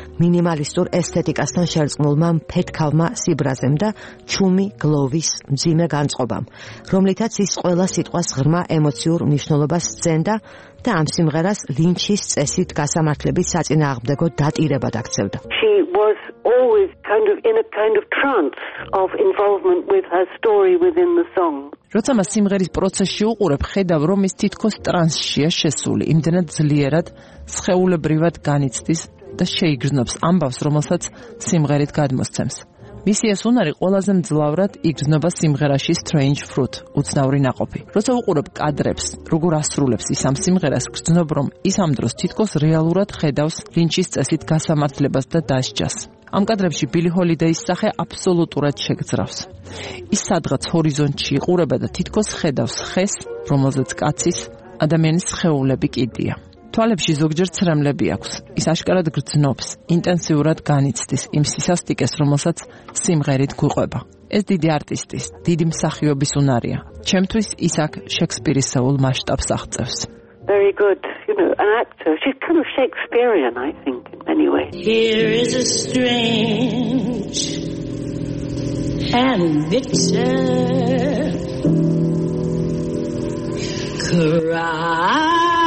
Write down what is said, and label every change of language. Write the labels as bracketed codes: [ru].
[ka] მინიმალისტურ ესთეტიკასთან შერწყმულმა ფეთქავმა სიბრაზემ და ჩუმი გლოვის მძიმე განწყობამ, რომლითაც ის ყველა სიტყვას ღრმა ემოციურ მნიშვნელობას ძენდა და ამ სიმღერას ლინჩის წესით გასამართლების საწინააღმდეგო დატირებად აქცევდა. [en] Was always kind of in a kind of trance of involvement with her story within the song. [ka] როცა მას სიმღერის პროცესში უყურებ, ხედავ, რომ ის თითქოს ტრანსშია შესული, იმდენად ძლიერად სხეულებრივად განიცდის და შეიგრძნობს ამბავს, რომელსაც სიმღერით გადმოსცემს. მისი ეს უნარი ყველაზე მძლავრად იგრძნობა სიმღერაში Strange Fruit, უცნაური ნაყოფი. როცა უყურებ კადრებს, როგორ ასრულებს ის ამ სიმღერას, გრძნობ, რომ ის ამ დროს თითქოს რეალურად ხედავს ლინჩის წესით გასამართლებას და დასჯას. ამ კადრებში ბილი ჰოლიდეის სახე აბსოლუტურად შეგძრავს. ის სადღაც ჰორიზონტში იყურება და თითქოს ხედავს ხეს, რომელზეც კაცის, ადამიანის სხეულები კიდია. თვალებში ზოგჯერ ცრემლები აქვს. ის აშკარად გრძნობს, ინტენსიურად განიცდის იმ სისასტიკეს, რომელსაც სიმღერით გვიყვება. ეს დიდი არტისტის, დიდი მსახიობის უნარია. ჩემთვის ის აქ შექსპირისეულ მასშტაბს აღწევს. [en] Very good, you know, an actor. She's kind of Shakespearean, I think, in many ways. Here is a strange and bitter cry.